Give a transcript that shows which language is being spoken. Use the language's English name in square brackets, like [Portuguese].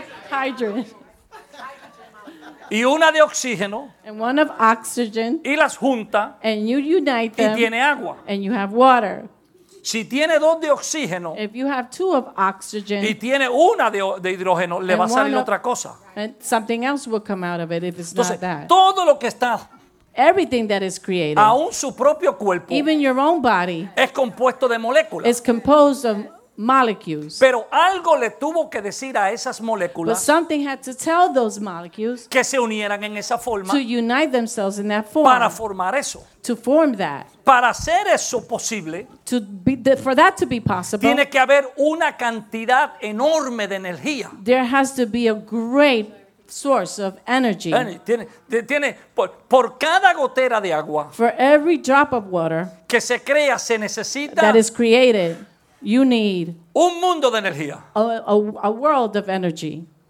[English] Hydrogen. [Spanish] y una de oxígeno, [English] and one of oxygen, [Spanish] y las junta, [English] and you unite them, [Spanish] y tiene agua, [English] and you have water. [Spanish] Si tiene dos de oxígeno, [English] if you have two of oxygen, [Spanish] y tiene una de hidrógeno, le va a salir otra cosa. [English] And something else will come out of it if it's [Spanish] entonces, [English] not that. [Spanish] Todo lo que está, [English] everything that is created, [Spanish] aún su propio cuerpo, [English] even your own body, [Spanish] es compuesto de moléculas. [English] Is composed of molecules. [Spanish] Pero algo le tuvo que decir a esas moléculas, [English] but something had to tell those molecules, [Spanish] que se unieran en esa forma, [English] to unite themselves in that form, [Spanish] para formar eso, [English] to form that. [Spanish] Para hacer eso posible, [English] to be, the, for that to be possible, [Spanish] tiene que haber una cantidad enorme de energía. [English] There has to be a great source of energy. [Spanish] Tiene por cada gotera de agua, [English] for every drop of water, [Spanish] que se crea, se necesita, [English] that is created, you need [Spanish] un mundo de energía, [English] a world of energy.